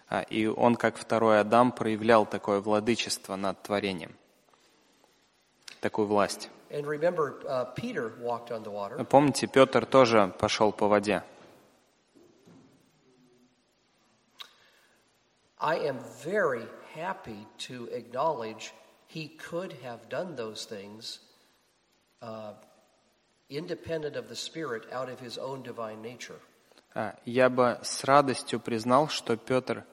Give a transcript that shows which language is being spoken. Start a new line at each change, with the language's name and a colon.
Russian: И он, как второй Адам, проявлял такое владычество над творением. Такую власть.
English: And remember, Peter walked on the water.
Russian: Помните, Петр тоже пошел по воде.
English: I am very happy to acknowledge he could have done those things independent of the Spirit out of his own divine nature.
Russian: Я бы с радостью признал, что Петр...